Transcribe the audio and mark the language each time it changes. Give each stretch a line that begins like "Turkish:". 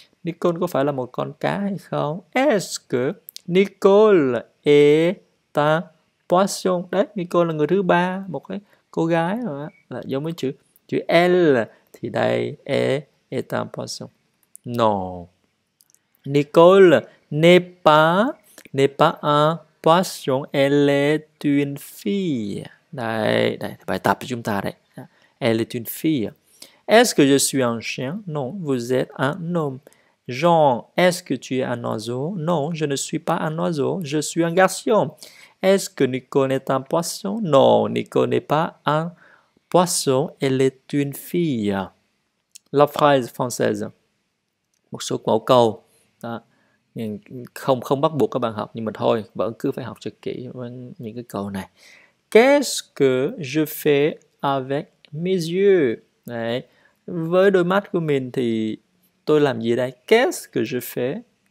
Vietnamese: Nicole có phải là một con cá hay không?
French: Est-ce que Nicole est un poisson?
Vietnamese: Đấy, Nicole là người thứ ba, một cái cô gái rồi là giống với chữ chữ elle thì đây
French: est un poisson. No. Nicole n'est pas un poisson, elle est une fille.
Vietnamese: Đây, đây, bài tập của chúng ta đấy.
French: Elle est une fille. Est-ce que je suis un chien? Non, vous êtes un homme. Jean, est-ce que tu es un oiseau? Non, je ne suis pas un oiseau. Je suis un garçon. Est-ce que Nicole est un poisson? Non, Nicole n'est pas un poisson. Elle est une fille. La phrase française.
Vietnamese: Một số mẫu câu.
French: Đó.
Vietnamese: Không không bắt buộc các bạn học, nhưng mà thôi, vẫn cứ phải học cho kỹ những cái câu này.
French: Qu'est-ce que je fais avec mes yeux?
Vietnamese: Đấy. Với đôi mắt của mình thì tôi làm gì đây?
French: Qu'est-ce que je fais?